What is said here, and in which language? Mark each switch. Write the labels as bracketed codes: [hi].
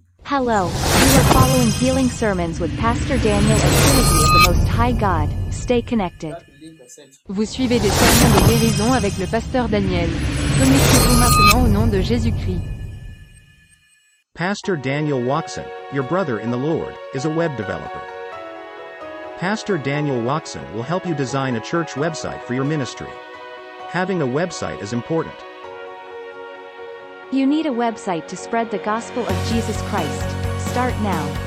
[en] Hello, you are following healing sermons with Pastor Daniel of Trinity, the Most High God. Stay connected. [fr] Vous suivez des sermons de guérison avec le pasteur Daniel. Connectez-vous maintenant au nom de Jésus-Christ. [en] Pastor Daniel Waxon, your brother in the Lord, is a web developer. Pastor Daniel Waxon will help you design a church website for your ministry. Having a website is important. You need a website to spread the gospel of Jesus Christ. Start now.